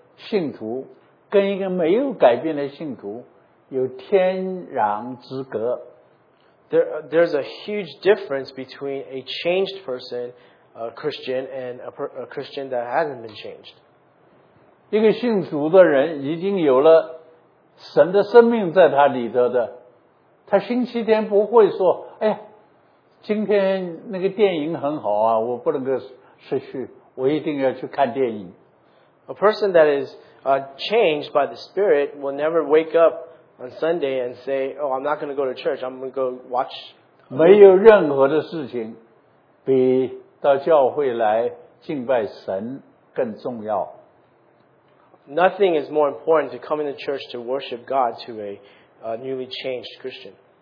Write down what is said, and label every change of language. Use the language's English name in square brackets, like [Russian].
[Chinese] 一个改变了的信徒，跟一个没有改变的信徒。有天壤之隔。 [English] There's a huge difference between a changed person, a Christian, and a Christian that hasn't been changed. [Chinese] 一个信主的人已经有了神的生命在他里头的，他星期天不会说：“哎呀，今天那个电影很好啊，我不能够失去，我一定要去看电影。” [English] A person that is changed by the Spirit will never wake up on Sunday and say, oh, I'm not going to go to church, I'm going to go watch. [Chinese] 没有任何的事情比到教会来敬拜神更重要。 [English] Nothing is more important to coming to church to worship God to a newly changed Christian.